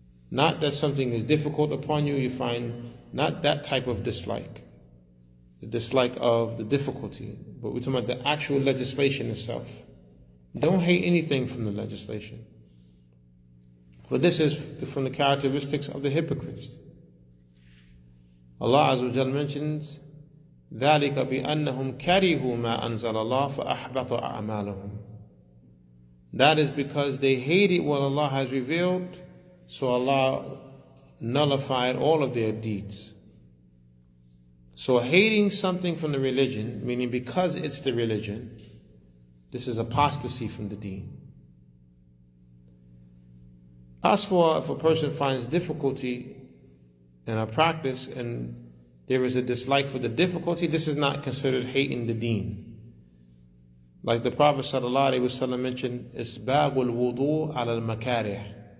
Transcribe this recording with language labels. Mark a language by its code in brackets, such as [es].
[en] Not that something is difficult upon you, you find not that type of dislike. The dislike of the difficulty. But we're talking about the actual legislation itself. Don't hate anything from the legislation. For this is from the characteristics of the hypocrites. Allah Azza wa Jalla mentions, [ar] ذَلِكَ بِأَنَّهُمْ كَرِهُوا مَا أَنزَلَ اللَّهُ فَأَحْبَطَ أَعْمَالَهُمْ. [en] That is because they hated what Allah has revealed, so Allah nullified all of their deeds. So hating something from the religion, meaning because it's the religion, this is apostasy from the deen. As for if a person finds difficulty in a practice and there is a dislike for the difficulty, this is not considered hating the deen. Like the Prophet ﷺ mentioned, [ar] إِسْبَاغُ الْوُضُوءَ عَلَى الْمَكَارِحِ.